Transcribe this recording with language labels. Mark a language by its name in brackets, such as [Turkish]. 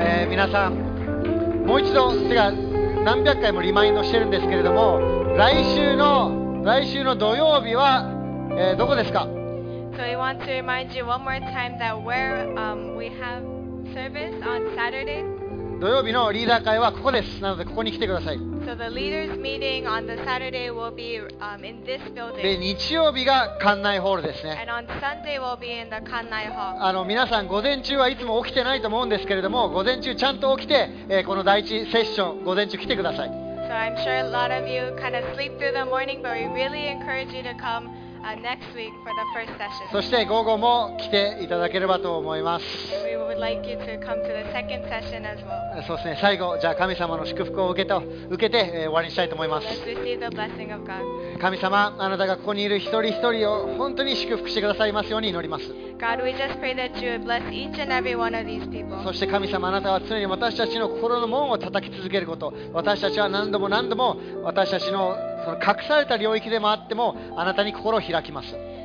[Japanese] 皆さん、もう一度、てか何百回もリマインドしてるんですけれども、来週の土曜日は、どこですか。 [English] So I want to remind you one more time that we have service on Saturday. [Japanese] 土曜日のリーダー会はここです。なのでここに来てください。 [English] So the leaders meeting on the Saturday will be in this building. [Japanese] で、日曜日が館内ホールですね。 [English] And on Sunday will be in the 館内ホール。 [Japanese] 皆さん午前中はいつも起きてないと思うんですけれども、午前中ちゃんと起きて、この第一セッション午前中来てください。 [English] So I'm sure a lot of you kind of sleep through the morning, but we really encourage you to come next week for the first session. [Japanese] そして午後も来ていただければと思います。 [English] We would like you to come to the second session as well. [Japanese] そうですね。最後、じゃあ神様の祝福を受けて、終わりにしたいと思います。 [English] Let's receive the blessing of God. [Japanese] 神様、あなたがここにいる一人一人を本当に祝福してくださいますように祈ります。 [English] God, we just pray that you would bless each and every one of these people. [Japanese] そして神様、あなたは常に私たちの心の門を叩き続けること。私たちは何度も何度も私たちのその隠された領域でもあっても、あなたに心を開きます。